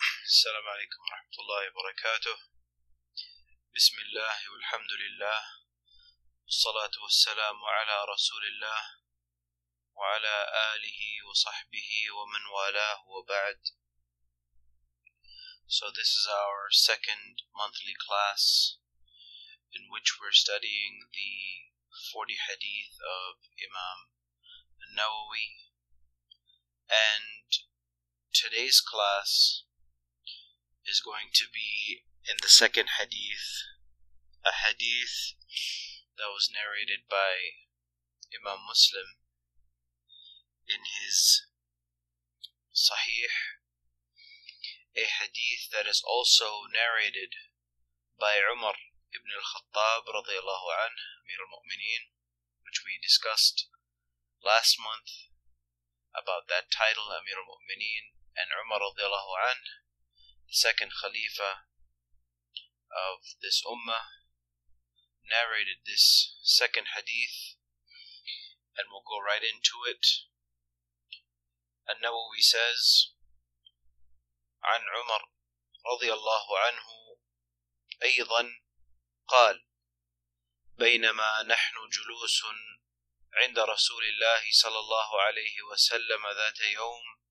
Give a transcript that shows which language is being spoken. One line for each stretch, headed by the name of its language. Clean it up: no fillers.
Arabic: السلام عليكم ورحمة الله وبركاته. بسم الله والحمد لله والصلاة والسلام على رسول الله وعلى آله وصحبه ومن والاه وبعد.
English: So this is our second monthly class in which we're studying the 40 hadith of Imam Nawawi. And today's class is going to be in the second hadith, a hadith that was narrated by Imam Muslim in his Sahih, a hadith that is also narrated by Umar ibn al-Khattab radiyallahu anhu, Amir al-Mu'mineen, which we discussed last month about that title, Amir al-Mu'mineen, and Umar radiyallahu anhu, the second Khalifa of this Ummah, narrated this second hadith, and we'll go right into it.
Arabic: An-Nawawi says, عن عمر رضي الله عنه أيضا قال بينما نحن جلوس عند رسول الله صلى الله عليه وسلم ذات يوم